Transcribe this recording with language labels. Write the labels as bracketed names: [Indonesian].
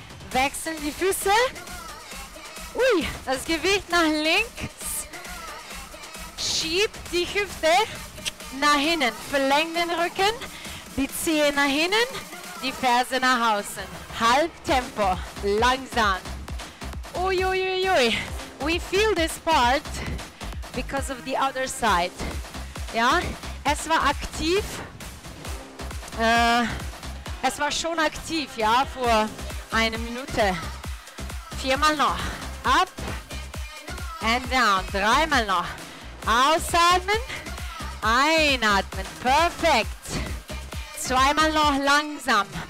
[German] Wechseln die Füße. Ui, das Gewicht nach links. Schieb die Hüfte nach hinten. Verläng den Rücken. Die Zehe nach hinten, die Ferse nach außen. Halbtempo, langsam. Ui, ui, ui, ui. [English] We feel this part because of the other side. [German] Ja, es war aktiv. Es war schon aktiv, ja, vor einer Minute. Viermal noch. [English] Up and down. [German] Dreimal noch. Ausatmen. Einatmen. Perfekt. Zweimal noch langsam.